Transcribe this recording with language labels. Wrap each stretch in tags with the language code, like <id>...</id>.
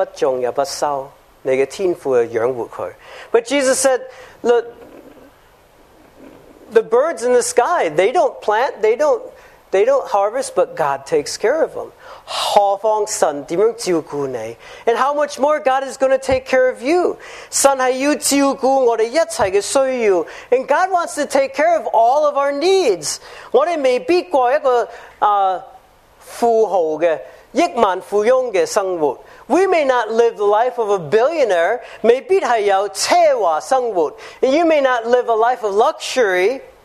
<zh>耶稣说，天上的飞鸟也不种也不收，你的天父要养活它。</zh> <en>But Jesus said, look, the birds in the sky, they don't plant, they don't harvest, but God takes care of them.</en> <zh>何况神怎样照顾你？</zh> <en>And how much more God is going to take care of you.</en> <zh>神是要照顾我们一切的需要。</zh> <en>And God wants to take care of all of our needs.</en> <zh>我们未必过一个富豪的亿万富翁的生活。</zh> <en>We may not live the life of a billionaire.</en> <zh>未必是有奢华生活。</zh> <en>And you may not live a life of luxury.</en>